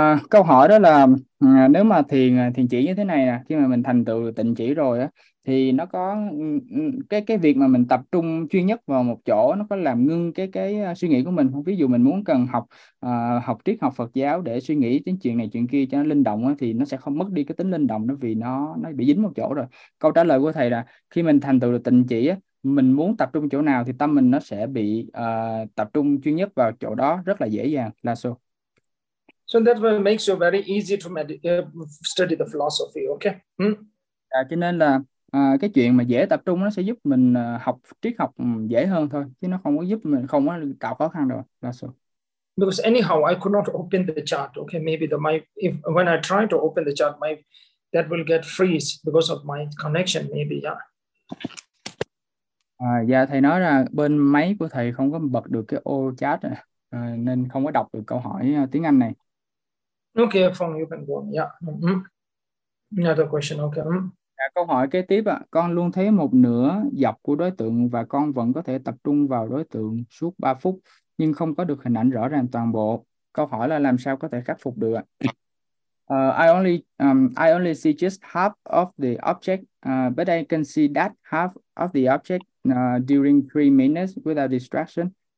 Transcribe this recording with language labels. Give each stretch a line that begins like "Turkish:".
Vietnamese: Câu hỏi đó là nếu mà thiền thiền chỉ như thế này nè, khi mà mình thành tựu tịnh chỉ rồi á, thì nó có cái việc mà mình tập trung chuyên nhất vào một chỗ, nó có làm ngưng cái suy nghĩ của mình không? Ví dụ mình muốn cần học học triết học Phật giáo để suy nghĩ đến chuyện này chuyện kia cho nó linh động á, thì nó sẽ không mất đi cái tính linh động đó vì nó bị dính một chỗ rồi. Câu trả lời của thầy là khi mình thành tựu được tịnh chỉ á, mình muốn tập trung chỗ nào thì tâm mình nó sẽ bị tập trung chuyên nhất vào chỗ đó rất là dễ dàng, là số.
English: So that will make you very easy to study the philosophy, okay?
Vietnamese: Cho nên là cái chuyện mà dễ tập trung nó sẽ giúp mình học triết học dễ hơn thôi, chứ nó không có giúp mình, không có tạo khó khăn đâu, là sao.
English: Because anyhow, I could not open the chat, okay? Maybe the mic, if when I try to open the chat, my that will get freeze because of my connection, maybe, yeah.
Vietnamese: Dạ thầy nói là bên máy của thầy không có bật được cái ô chat rồi, nên không có đọc được câu hỏi tiếng Anh này.
English: Okay, phone, you can go on. Yeah. Another question, okay.
Vietnamese: Câu hỏi kế tiếp ạ, con luôn thấy một nửa dọc của đối tượng và con vẫn có thể tập trung vào đối tượng suốt 3 phút nhưng không có được hình ảnh rõ ràng toàn bộ. Câu hỏi là làm sao có thể khắc phục được ạ?
English: I only see just half of the object, but I can see that half of the object during 3 minutes without distraction.